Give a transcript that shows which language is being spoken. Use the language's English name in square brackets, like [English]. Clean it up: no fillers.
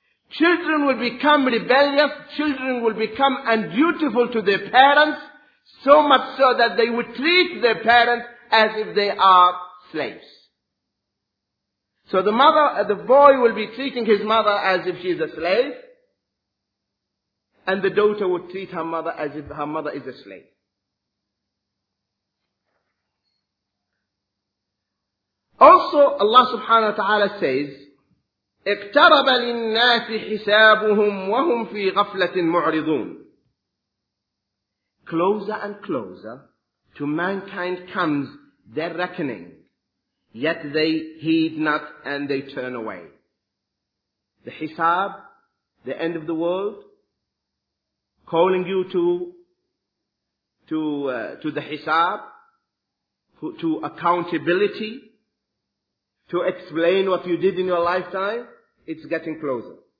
[English] Children will become rebellious, children will become undutiful to their parents, so much so that they will treat their parents as if they are slaves. So the boy will be treating his mother as if she is a slave, and the daughter will treat her mother as if her mother is a slave. Also, Allah subhanahu wa ta'ala says, [Arabic] اقترب للناس حسابهم وهم في غفلة معرضون. [English] Closer and closer to mankind comes their reckoning, yet they heed not and they turn away. The hisab, the end of the world, calling you to the hisab, to accountability, to explain what you did in your lifetime. It's getting closer.